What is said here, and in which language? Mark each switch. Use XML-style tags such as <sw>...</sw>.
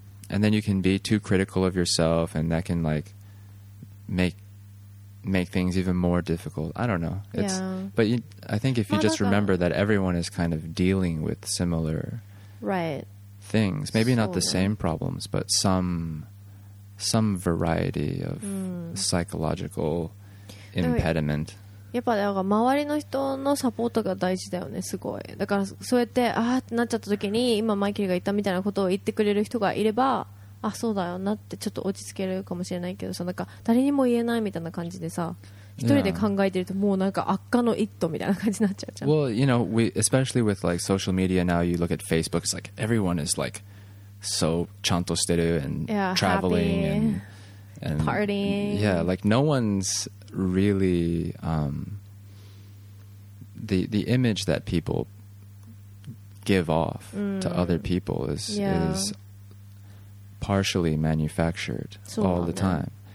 <en>And then you can be too critical of yourself and that can like make things even more difficult. I don't know. It's, yeah. But I think if you just remember that everyone is kind of dealing with similar things. Maybe not the same problems, but some variety of psychological impediment.</en> <ja>やっぱだから周りの人のサポートが大事だよね、すごい。だからそうやってあーってなっちゃった時に今マイケルが言ったみたいなことを言ってくれる人がいれば、あそうだよなってちょっと落ち着けるかもしれないけど、さなんか誰にも言えないみたいな感じでさ、一人で考えてるともうなんか悪化の一途みたいな感じになっちゃうじゃん。</ja> <en>Well, you know, we especially with like social media now, you look at Facebook, it's like everyone is like so</en> <ja>ちゃんとしてる</ja> <en>and traveling and partying. Yeah, like no one'sreally the image that people give off to other people is partially manufactured all the time.</en>